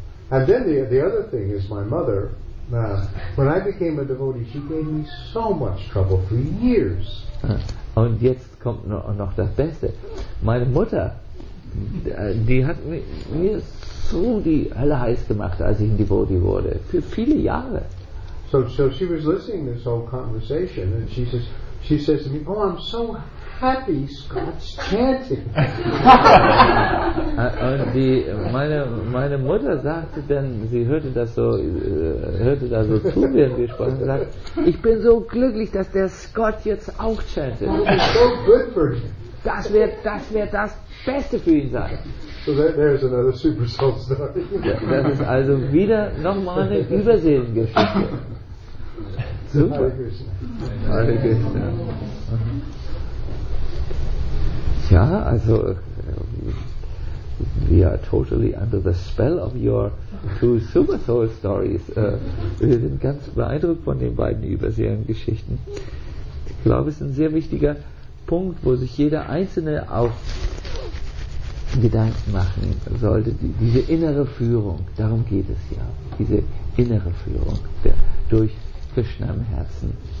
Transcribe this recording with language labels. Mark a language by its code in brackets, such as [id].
[en] And then the other thing is my mother. When I became a devotee, she gave me so much trouble for years. [de] Und jetzt kommt noch das Beste. Meine Mutter, die hat mir so die Hölle heiß gemacht, als ich ein Devotee wurde, für viele Jahre. [en] So she was listening to this whole conversation, and she says to me, oh, I'm so happy Scott's chanting. [de] Und meine Mutter sagte dann, sie hörte das so zu mir gesprochen, und sagte, ich bin so glücklich, dass der Scott jetzt auch chantet. [en] So good for him. [de] Das wird das Beste für ihn sein. [en] So there's another super soul story. [de] Ja, das ist also wieder nochmal eine Überseelengeschichte. Super. [sa] Hare Krishna. Hare Krishna. [de] Ja, also [en] we are totally under the spell of your two super soul stories. [de] Wir sind ganz beeindruckt von den beiden Überseelengeschichten. Ich glaube, es ist ein sehr wichtiger Punkt, wo sich jeder Einzelne auch Gedanken machen sollte, diese innere Führung, darum geht es ja, diese innere Führung durch Krishna im Herzen.